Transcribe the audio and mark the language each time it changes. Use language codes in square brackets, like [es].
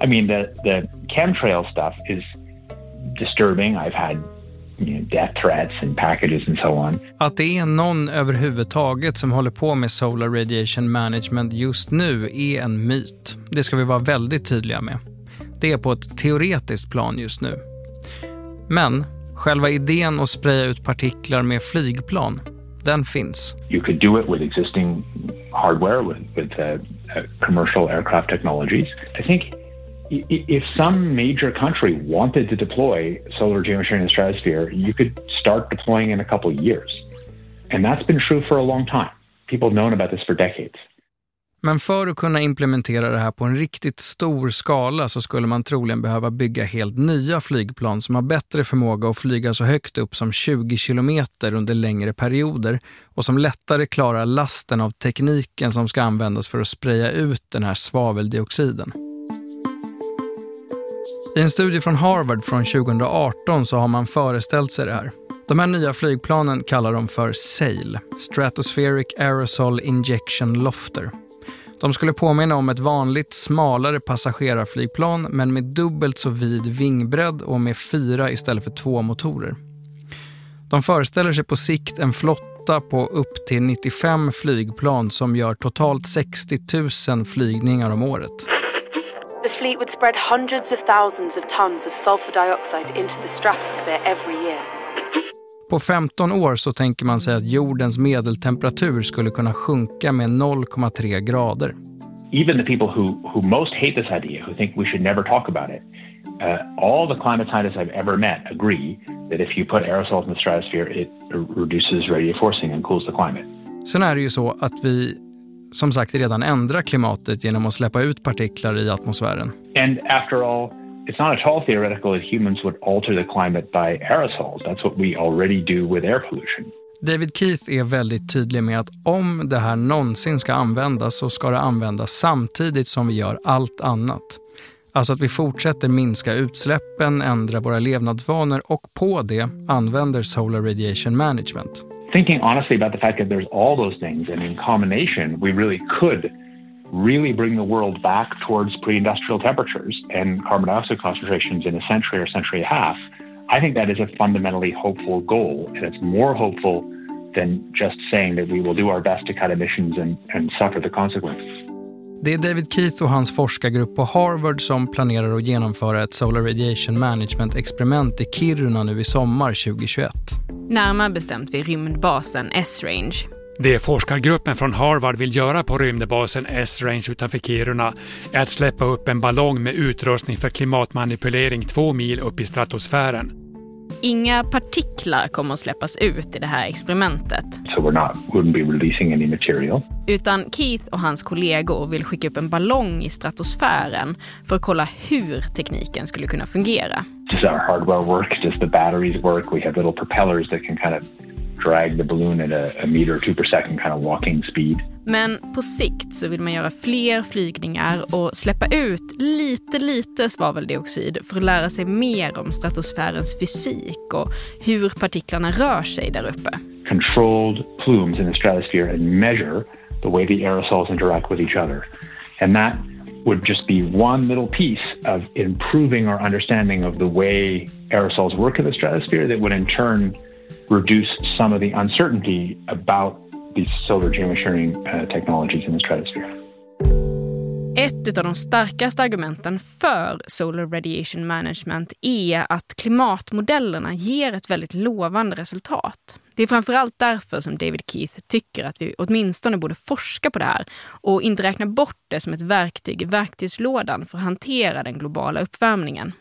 [en] I mean, the chemtrail stuff is disturbing. I've had, you know, death threats and packages and so on. [sv] Att det är någon överhuvudtaget som håller på med solar radiation management just nu är en myt. Det ska vi vara väldigt tydliga med. Det är på ett teoretiskt plan just nu. Men själva idén att spraya ut partiklar med flygplan, den finns. [en] You could do it with existing hardware, with commercial aircraft technologies. I think if some major country wanted to deploy solar geoengineering in the stratosphere, you could start deploying in a couple of years. And that's been true for a long time. People have known about this for decades. [sv] Men för att kunna implementera det här på en riktigt stor skala så skulle man troligen behöva bygga helt nya flygplan som har bättre förmåga att flyga så högt upp som 20 kilometer under längre perioder och som lättare klarar lasten av tekniken som ska användas för att spraya ut den här svaveldioxiden. I en studie från Harvard från 2018 så har man föreställt sig det här. De här nya flygplanen kallar de för SAIL, Stratospheric Aerosol Injection Lofter. De skulle påminna om ett vanligt, smalare passagerarflygplan men med dubbelt så vid vingbredd och med 4 istället för 2 motorer. De föreställer sig på sikt en flotta på upp till 95 flygplan som gör totalt 60 000 flygningar om året. [en] The fleet would spread hundreds of thousands of tons of sulfur dioxide into the stratosphere every year. [sv] På 15 år så tänker man sig att jordens medeltemperatur skulle kunna sjunka med 0,3 grader. [en] Even the people who most hate this idea, who think we should never talk about it, All the climate scientists I've ever met agree that if you put aerosol in the stratosphere, it reduces radio forcing and cools the climate. [sv] Sen är det ju så att vi, som sagt, redan ändrar klimatet genom att släppa ut partiklar i atmosfären. [en] And after all, it's not at all theoretical that humans would alter the climate by aerosols. That's what we already do with air pollution. [sv] David Keith är väldigt tydlig med att om det här någonsin ska användas så ska det användas samtidigt som vi gör allt annat. Alltså att vi fortsätter minska utsläppen, ändra våra levnadsvanor och på det använder solar radiation management. [en] Thinking honestly about the fact that there's all those things and in combination we really could really bring the world back towards pre-industrial temperatures and carbon dioxide concentrations in a century or century and a half. I think that is a fundamentally hopeful goal, and it's more hopeful than just saying that we will do our best to cut emissions and suffer the consequences. [sv] Det är David Keith och hans forskargrupp på Harvard som planerar att genomföra ett solar radiation management experiment i Kiruna nu i sommar 2021. Närmare bestämt vid rymdbasen S-Range. Det forskargruppen från Harvard vill göra på rymdbasen S-Range utanför Kiruna är att släppa upp en ballong med utrustning för klimatmanipulering 2 mil upp i stratosfären. Inga partiklar kommer att släppas ut i det här experimentet. [en] So we're not, wouldn't be releasing any material. [sv] Utan Keith och hans kollegor vill skicka upp en ballong i stratosfären för att kolla hur tekniken skulle kunna fungera. [en] Does our hardware work? Does the batteries work? We have little propellers that can kind of drag the balloon at a meter or two per second kind of walking speed. [sv] Men på sikt så vill man göra fler flygningar och släppa ut lite svaveldioxid för att lära sig mer om stratosfärens fysik och hur partiklarna rör sig där uppe. [en] Controlled plumes in the stratosphere and measure the way the aerosols interact with each other. And that would just be one little piece of improving our understanding of the way aerosols work in the stratosphere that would in turn reduce some of the uncertainty about these solar geoengineering technologies in the stratosphere. [sv] Ett av de starkaste argumenten för solar radiation management är att klimatmodellerna ger ett väldigt lovande resultat. Det är framförallt därför som David Keith tycker att vi åtminstone borde forska på det här och inte räkna bort det som ett verktyg i verktygslådan för att hantera den globala uppvärmningen.